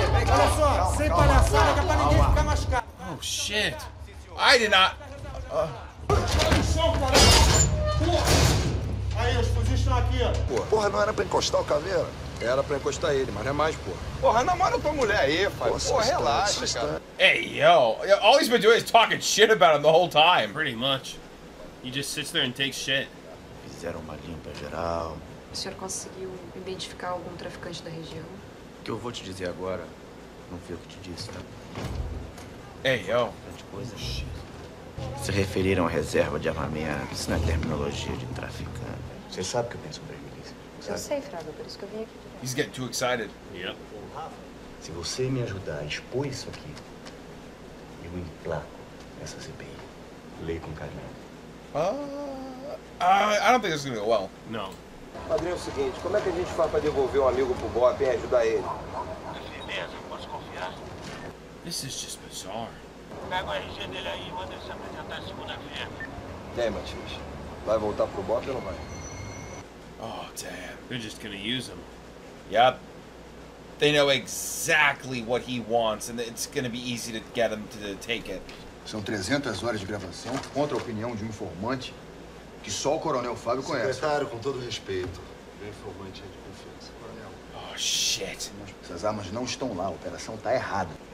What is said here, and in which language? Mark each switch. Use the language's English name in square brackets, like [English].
[Portuguese] Olha só, sem palhaçada, que é pra ninguém ficar machucado. [English] Oh, shit. I did not... [Portuguese] Aí, os fuzis estão aqui, ó. Porra, não era pra encostar o caveira? Era pra encostar ele, mas não é mais, porra. Porra, namora tua mulher aí, pai. Porra, relaxa, cara. [English] Hey, yo. All he's been doing is talking shit about him the whole time. Pretty much. He just sits there and takes shit. [Portuguese] Fizeram uma limpa geral. O senhor conseguiu identificar algum traficante da região? O que eu vou te dizer agora, não foi o que te disse, tá? [English] Hey, yo. [Portuguese] Grande coisa, shit. Se referiram à reserva de armamento, isso não é terminologia de traficante. Você sabe o que eu penso sobre a milícia? Eu sei, Fraga, por isso que eu vim aqui. [English] Direto. He's getting too excited. Yeah. [Portuguese] Se você me ajudar a expor isso aqui, eu emplaco essa CPI. Leia com carinho. [English] I don't think this is gonna go well. No. [Portuguese] Padrinho, é o seguinte, como é que a gente faz pra devolver um amigo pro BOPE e ajudar ele? Beleza, posso confiar? [English] This is just bizarre. [Portuguese] Pega o RG dele aí, manda ele se apresentar segunda-feira. E aí, Matias? Vai voltar pro BOP ou não vai? [English] Oh, damn. They're just gonna use him. Yep. They know exactly what he wants, and it's gonna be easy to get him to take it. [Portuguese] São 300 horas de gravação contra a opinião de um informante que só o Coronel Fábio conhece. Secretário, com todo respeito, meu informante é de confiança, Coronel. [English] Oh, shit. [Portuguese] Essas armas não estão lá, a operação tá errada.